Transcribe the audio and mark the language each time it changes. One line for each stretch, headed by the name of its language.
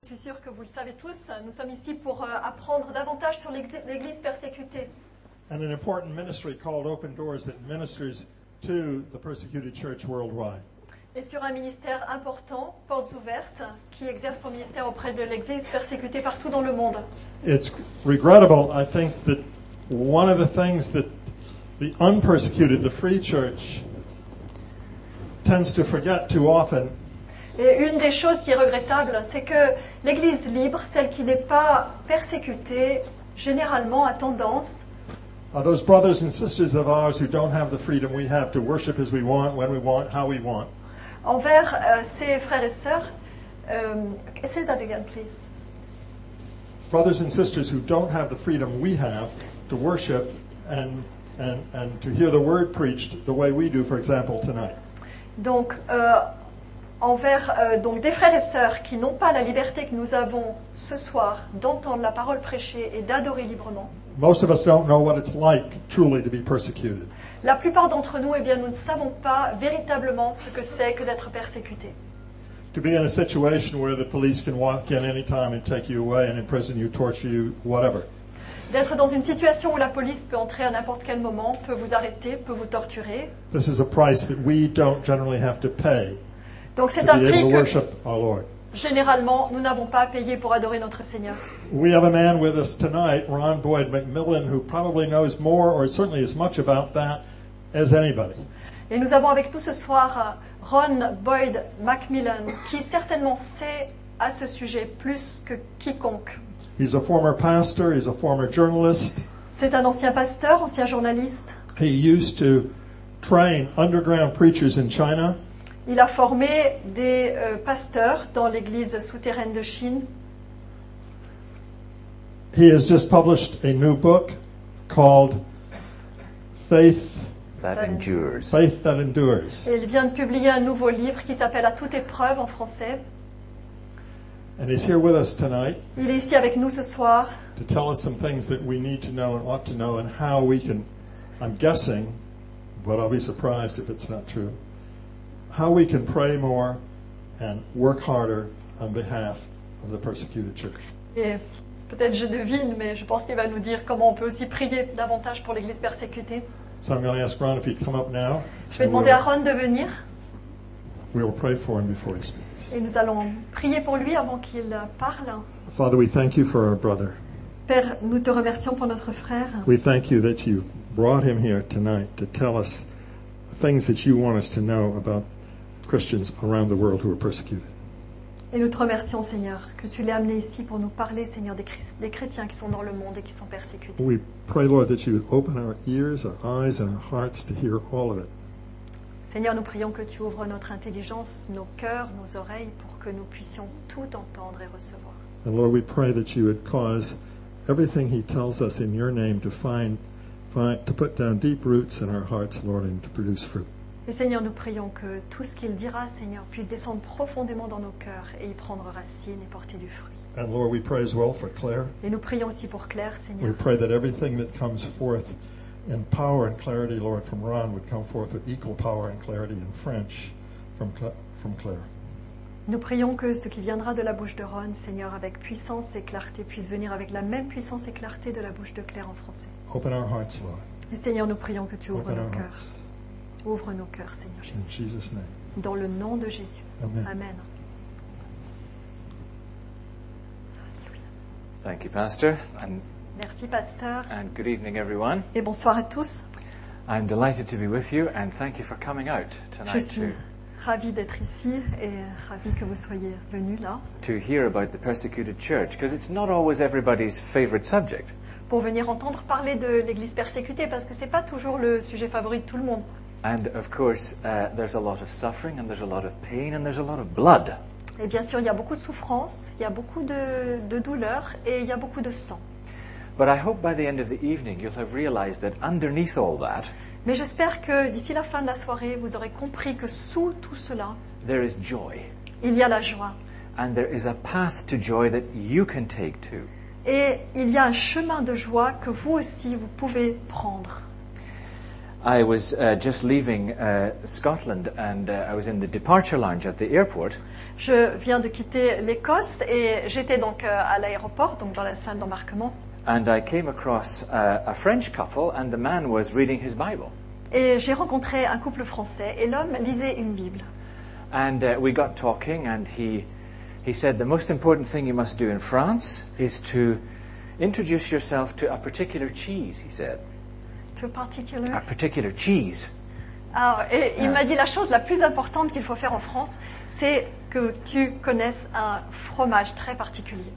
French: Je suis sûre que vous le savez tous, nous sommes ici pour apprendre davantage sur l'Église persécutée.
English: And an important ministry called Open Doors that ministers to the persecuted church worldwide.
French: Et sur un ministère important, Portes Ouvertes, qui exerce son ministère auprès de l'Église persécutée partout dans le monde.
English: It's regrettable, I think, that one of the things that the unpersecuted, the free church, tends to forget too often.
French: Et une des choses qui est regrettable, c'est que l'Église libre, celle qui n'est pas persécutée, généralement a tendance.
English: Are those brothers and sisters of ours who don't have the freedom we have to worship as we want, when we want, how we want?
French: Envers ces frères et sœurs,
English: say that again, please. Brothers and sisters who don't have the freedom we have to worship and to hear the word preached the way we do, for example, tonight.
French: Donc envers donc des frères et sœurs qui n'ont pas la liberté que nous avons ce soir d'entendre la parole prêchée et d'adorer librement.
English: Most of us don't know what it's like truly to be persecuted.
French: La plupart d'entre nous, eh bien, nous ne savons pas véritablement ce que c'est que d'être persécuté.
English: To be in a situation where the police can walk in any time and take you away and imprison you, torture you, whatever.
French: D'être dans une situation où la police peut entrer à n'importe quel moment, peut vous arrêter, peut vous torturer.
English: This is a price that we don't generally have to pay.
French: Donc c'est un prix que, généralement, nous n'avons pas à payer pour adorer notre Seigneur.
English: We have a man with us tonight, Ron Boyd McMillan, who probably knows more or certainly as much about that as anybody.
French: Et nous avons avec nous ce soir Ron Boyd McMillan, qui certainement sait à ce sujet plus que quiconque.
English: He's a former pastor, he's a former journalist.
French: C'est un ancien pasteur, ancien journaliste.
English: He used to train underground preachers in China.
French: Il a formé des pasteurs dans l'église souterraine de Chine.
English: He has just published a new book called Faith That Endures. Faith That Endures.
French: Et il vient de publier un nouveau livre qui s'appelle À toute épreuve en français.
English: And he's here with us tonight.
French: Il est ici avec nous ce soir.
English: To tell us some things that we need to know and ought to know and how we can, I'm guessing, but I'll be surprised if it's not true. How we can pray more and work harder on behalf of the persecuted church.
French: Et peut-être je devine, mais je pense qu'il va nous dire comment on peut aussi prier davantage pour l'église persécutée.
English: So I'm going to ask Ron if he'd come up now.
French: Je vais demander à Ron de venir.
English: We will pray for him before he speaks.
French: Et nous allons prier pour lui avant qu'il parle.
English: Father, we thank you for our brother.
French: Père, nous te remercions pour notre frère.
English: We thank you that you brought him here tonight to tell us things that you want us to know about Christians around the world who are persecuted.
French: Et nous te remercions, Seigneur, que tu l'aies amené ici pour nous parler, Seigneur, des chrétiens qui sont dans le monde et qui sont persécutés.
English: We pray, Lord, that you would open our ears, our eyes, and our hearts to hear all of it.
French: Seigneur, nous prions que tu ouvres notre intelligence, nos cœurs, nos oreilles, pour que nous puissions tout entendre et recevoir.
English: And Lord, we pray that you would cause everything he tells us in your name to find to put down deep roots in our hearts, Lord, and to produce fruit.
French: Et Seigneur, nous prions que tout ce qu'il dira, Seigneur, puisse descendre profondément dans nos cœurs et y prendre racine et porter du fruit.
English: And Lord, we pray as well for Claire.
French: Et nous prions aussi pour Claire, Seigneur.
English: We pray that everything that comes forth in power and clarity, Lord, from Ron would come forth with equal power and clarity in French from Claire.
French: Nous prions que ce qui viendra de la bouche de Ron, Seigneur, avec puissance et clarté, puisse venir avec la même puissance et clarté de la bouche de Claire en français.
English: Open our hearts, Lord.
French: Et Seigneur, nous prions que tu ouvres nos cœurs. Ouvre nos cœurs, Seigneur Jésus.
English: In Jesus' name.
French: Dans le nom de Jésus.
English: Amen.
French: Amen.
English: Thank you, Pastor.
French: Merci, Pasteur.
English: And good evening, everyone.
French: Et bonsoir à tous.
English: I'm delighted to be with you and thank you for coming out tonight too.
French: Ravi d'être ici et ravi que vous soyez venu là.
English: To hear about the persecuted church, because it's not always everybody's favorite subject.
French: Pour venir entendre parler de l'Église persécutée, parce que c'est pas toujours le sujet favori de tout le monde.
English: And of course, there's a lot of suffering and there's a lot of pain and there's a lot of blood.
French: Et bien sûr, il y a beaucoup de souffrance, il y a beaucoup de douleur et il y a beaucoup de sang.
English: But I hope by the end of the evening you'll have realized that underneath all that.
French: Mais j'espère que d'ici la fin de la soirée, vous aurez compris que sous tout cela,
English: there is joy.
French: Il y a la joie.
English: And there is a path to joy that you can take too.
French: Et il y a un chemin de joie que vous aussi, vous pouvez prendre.
English: I was just leaving Scotland and I was in the departure lounge at the airport.
French: Je viens de quitter l'Écosse et j'étais donc à l'aéroport, donc dans la salle d'embarquement.
English: And I came across a French couple and the man was reading his Bible.
French: Et j'ai rencontré un couple français et l'homme lisait une Bible.
English: And we got talking and he said the most important thing you must do in France is to introduce yourself to a particular cheese, he said. To a particular? A particular cheese.
French: Alors, et il m'a dit la chose la plus importante qu'il faut faire en France, c'est que tu connaisses un fromage très particulier.